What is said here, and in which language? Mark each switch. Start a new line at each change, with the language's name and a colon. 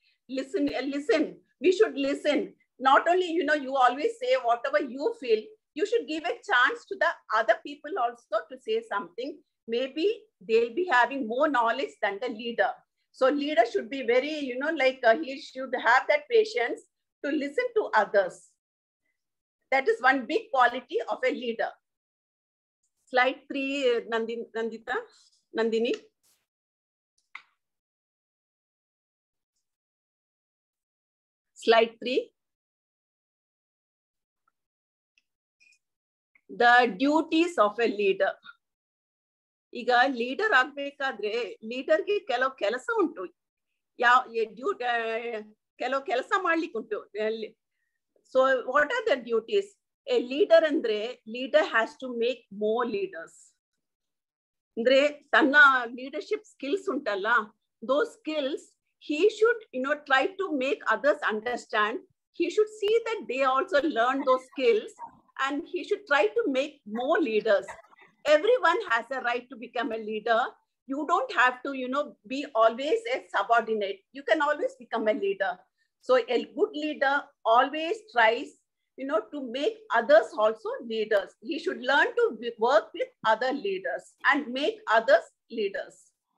English: Listen listen we should listen not only you know you always say whatever you feel you should give a chance to the other people also to say something maybe they will be having more knowledge than the leader So leader should be very, you know, like he should have that patience to listen to others. That is one big quality of a leader. Slide 3, Nandini. Slide 3. The duties of a leader.
Kannada: ಈಗ leader ಆಗ್ಬೇಕಾದ್ರೆ ಲೀಡರ್ಗೆ ಕೆಲವು ಕೆಲಸ ಉಂಟು ಯಾವ duty ಕೆಲವು ಕೆಲಸ ಮಾಡ್ಲಿಕ್ಕೆ ಉಂಟು
English: so what are the duties a leader
Kannada: ಅಂದ್ರೆ
English: leader has to make more leaders
Kannada: ಅಂದ್ರೆ ತನ್ನ ಲೀಡರ್ಶಿಪ್ ಸ್ಕಿಲ್ಸ್ ಉಂಟಲ್ಲ
English: Those skills he should you know try to make others understand he should see that they also learn those skills and he should try to make more leaders Everyone has a right to become a leader. You don't have to, you know, be always a subordinate. You can always become a leader. So a good leader always tries, you know, to make others also leaders. He should learn to work with other leaders and make others leaders.